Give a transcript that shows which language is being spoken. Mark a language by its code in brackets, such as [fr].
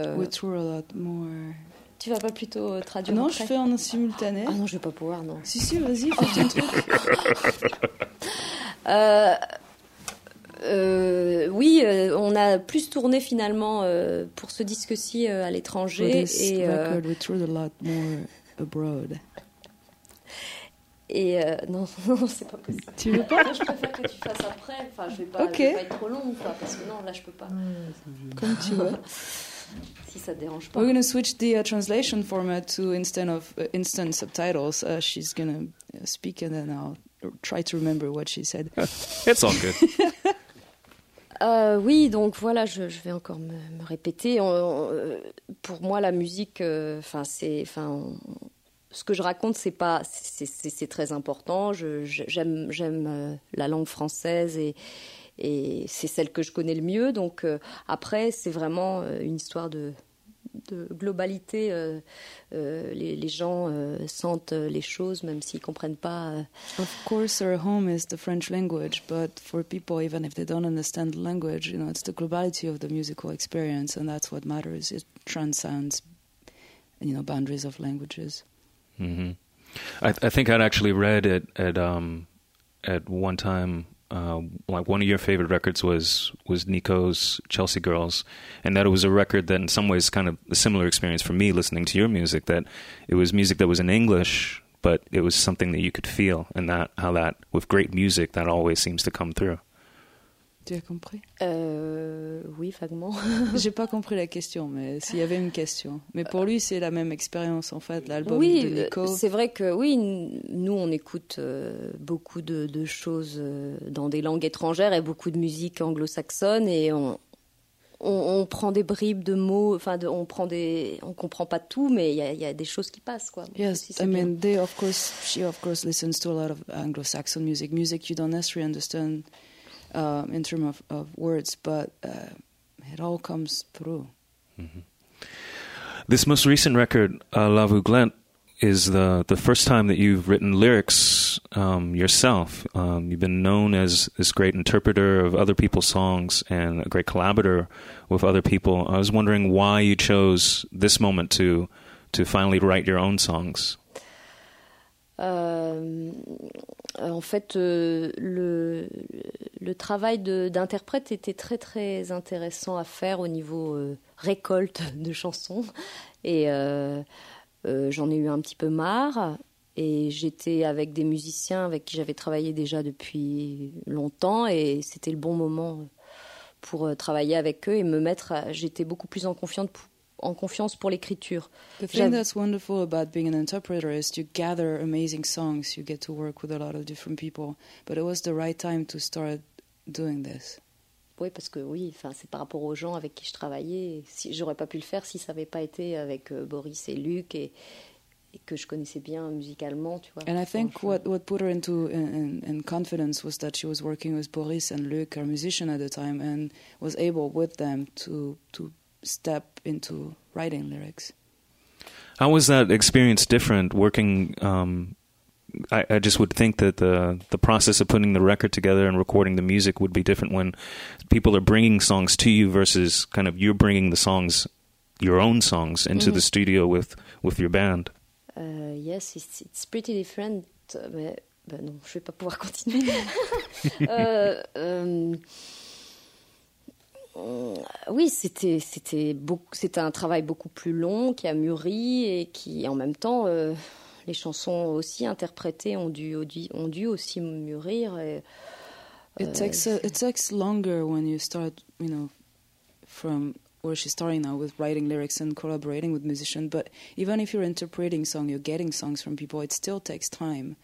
[en] We tour a lot more. [fr] Tu vas pas plutôt traduire? Non, après je fais en simultané. Ah non, je vais pas pouvoir, non. Si, si, vas-y, fais ton truc. Oui, on a plus tourné finalement pour ce disque-ci à l'étranger. For this record, we toured a lot more abroad. Et non, c'est pas possible. Tu veux pas? Non, je préfère que tu fasses après. Enfin, je vais pas, okay, je vais pas être trop long, quoi, parce que non, là, je peux pas. Comme tu veux. Si ça te dérange pas. [en] We're going to switch the translation format to instant subtitles. She's going to speak and then I'll try to remember what she said. It's all good. [fr] Oui, donc voilà, je vais encore me répéter. Pour moi, la musique, ce que je raconte, c'est très important. J'aime la langue française et c'est celle que je connais le mieux. Donc après, c'est vraiment une histoire de globalité. Les gens sentent les choses, même s'ils comprennent pas. [en] Of course, our home is the French language, but for people, even if they don't understand the language, you know, it's the globality of the musical experience, and that's what matters. It transcends, you know, boundaries of languages. Mm-hmm. I think I'd actually read it at one time. Like one of your favorite records was Nico's Chelsea Girls, and that it was a record that in some ways kind of a similar experience for me listening to your music, that it was music that was in English, but it was something that you could feel, and that how that with great music that always seems to come through. [fr] Tu as compris? Oui, vaguement. J'ai pas compris la question, mais s'il y avait une question. Mais pour lui, c'est la même expérience, en fait, l'album, oui, de Nico. Oui, c'est vrai que, oui, nous, on écoute beaucoup de choses dans des langues étrangères et beaucoup de musique anglo-saxonne, et on prend des bribes de mots, enfin, on comprend pas tout, mais il y a des choses qui passent, quoi. [en] Yes, si I mean, she, of course, listens to a lot of anglo-saxon music. Music you don't necessarily understand in terms of words, but it all comes through. Mm-hmm. This most recent record, La Vue Glent, is the first time that you've written lyrics yourself. You've been known as this great interpreter of other people's songs and a great collaborator with other people. I was wondering why you chose this moment to finally write your own songs. [fr] En fait, le travail d'interprète était très très intéressant à faire au niveau récolte de chansons, et j'en ai eu un petit peu marre, et j'étais avec des musiciens avec qui j'avais travaillé déjà depuis longtemps, et c'était le bon moment pour travailler avec eux et me mettre j'étais beaucoup plus en confiance pour l'écriture. [en] The thing that's wonderful about being an interpreter is you gather amazing songs, you get to work with a lot of different people, but it was the right time to start doing this. [fr] Oui, parce que oui, enfin, c'est par rapport aux gens avec qui je travaillais. Si j'aurais pas pu le faire si ça avait pas été avec Boris et Luc et que je connaissais bien musicalement, tu vois. [en] And I think what put her in confidence was that she was working with Boris and Luc, her musician at the time, and was able with them to step into writing lyrics. How was that experience different working? I just would think that the process of putting the record together and recording the music would be different when people are bringing songs to you versus kind of you're bringing the songs, your own songs, into the studio with your band. Yes, it's pretty different. [fr] Mais ben non, je vais pas pouvoir continuer. Oui, c'était un travail beaucoup plus long qui a mûri et qui, en même temps, les chansons aussi interprétées ont dû aussi mûrir. Et, [en] it takes longer when you start, you know, from where she's starting now with writing lyrics and collaborating with musicians. But even if you're interpreting songs, you're getting songs from people, it still takes time.